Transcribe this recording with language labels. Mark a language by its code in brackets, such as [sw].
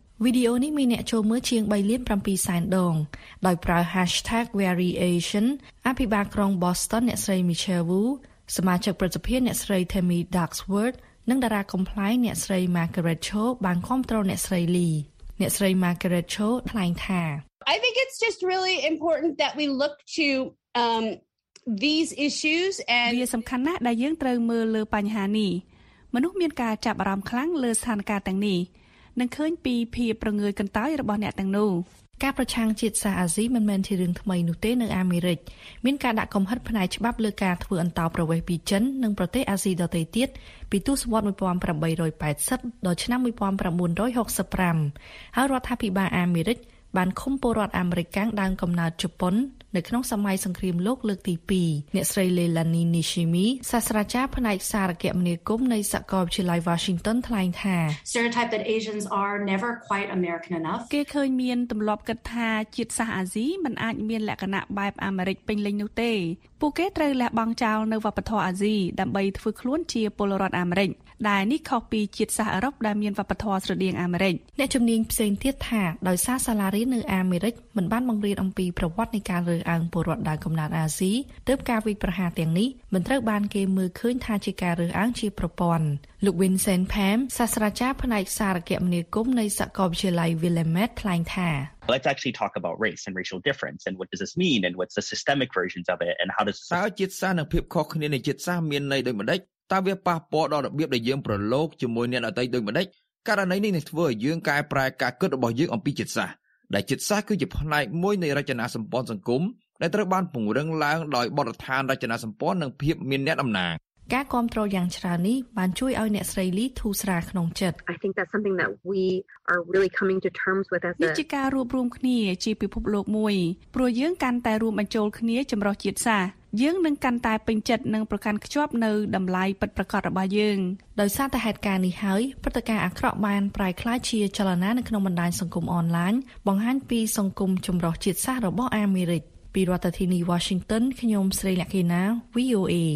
[km] វីដេអូនេះមានអ្នកចូលមើលជាង 3.7 លានដងដោយប្រើ hashtag #variation អភិបាលក្រុង Boston អ្នកស្រី Michelle Wu សមាជិកប្រសិទ្ធភាពអ្នកស្រី Tammy Duxworth នឹងតារាកំ pl ែងអ្នកស្រី Margaret Cho បានគ្រប់គ្រងអ្នកស្រី Lee អ្នកស្រី Margaret Cho ថ្លែងថា [en] I think it's just really important that we look to these issues and [km] វាសំខាន់ណាស់ដែលយើងត្រូវមើលលើបញ្ហានេះមនុស្សមានការចាប់អារម្មណ៍ខ្លាំងលើស្ថានភាពទាំងនេះនឹងឃើញពីភាពប្រងើយកន្តើយរបស់អ្នកទាំងនោះ ការប្រឆាំងជាតិសាសអាស៊ីមិនមែនជារឿងថ្មីនោះទេនៅអាមេរិកមានការដាក់កំហិតផ្នែកច្បាប់លើការធ្វើអន្តោប្រវេសន៍ពីចិននិងប្រទេសអាស៊ីដទៃទៀតពីទសវត្ស1880ដល់ឆ្នាំ1965ហើយរដ្ឋាភិបាលអាមេរិកបានឃុំពលរដ្ឋអាមេរិកាំងដើមកំណើតជប៉ុននៅក្នុងសម័យសង្គ្រាមលោកលើកទី2អ្នកស្រីលេឡានីនីស៊ីមីសាស្ត្រាចារ្យផ្នែកសារគមនាគមន៍នៃសាកលវិទ្យាល័យ Washington ថ្លែងថា [en] Stereotype that Asians are never quite American enough [km] គេឃើញមានទម្លាប់គិតថាជាតិសាសន៍អាស៊ីមិនអាចមានលក្ខណៈបែបអាមេរិកពេញលេញនោះទេពួកគេត្រូវលះបង់ចោលនៅវប្បធម៌អាស៊ីដើម្បីធ្វើខ្លួនជាពលរដ្ឋអាមេរិកដែលនេះខុសពីជាតិសាសន៍អឺរ៉ុបដែលមានវប្បធម៌ស្រដៀងអាមេរិក អ្នកជំនាញផ្សេងទៀតថាដោយសារសាលារៀននៅអាមេរិកមិនបានបង្រៀនអំពីប្រវត្តិនៃការអង្គពលរដ្ឋដែលកំណត់អាស៊ីទើបការវិប្រហាទាំងនេះមិនត្រូវបានគេមើលឃើញថាជាការរើសអើងជាប្រព័ន្ធលោក Vincent Pham សាស្ត្រាចារ្យផ្នែកសារគមនាគមន៍នៃសាកលវិទ្យាល័យ Willamette ថ្លែងថា [en] Let's actually talk about race and racial difference and what does this mean and what's the systemic versions of it and how does [km] ជាតិសាសន៍និងភាពខុសគ្នានៃជាតិសាសន៍មានន័យដូចម្ដេចតើវាប៉ះពាល់ដល់របៀបដែលយើងប្រឡូកជាមួយអ្នកដទៃដូចម្ដេចករណីនេះនឹងធ្វើឲ្យយើងកែប្រែការគិតរបស់យើងអំពីជាតិសាសន៍ដែលចិត្តសាស្ត្រគឺជាផ្នែកមួយនៃរចនាសម្ព័ន្ធសង្គមដែលត្រូវបានពង្រឹងឡើងដោយបទដ្ឋានរចនាសម្ព័ន្ធនិងភាពមានអ្នកតំណាង ការគ្រប់គ្រងយ៉ាងច្រើននេះបានជួយឲ្យអ្នកស្រីលីធូរស្រាលក្នុងចិត្ត [en] I think that's something that we are really coming to terms with as [km] a ជាការរួបរวมគ្នាជាពិភពលោកមួយព្រោះយើងកាន់តែរួមបញ្ចូលគ្នាចម្រុះជាតិសាសន៍យើងនឹងកាន់តែពេញចិត្តនិងប្រកាន់ខ្ជាប់នៅតម្លៃពិតប្រាកដរបស់យើង ដោយសារតែហេតុការណ៍នេះហើយព្រឹត្តិការណ៍អាក្រក់បានប្រែក្លាយជាចលនានៅក្នុងបណ្ដាញសង្គមអនឡាញបង្ហាញពីសង្គមចម្រុះជាតិសាសន៍របស់អាមេរិកពីរដ្ឋធានី Washington ខ្ញុំស្រីលក្ខិណា VOA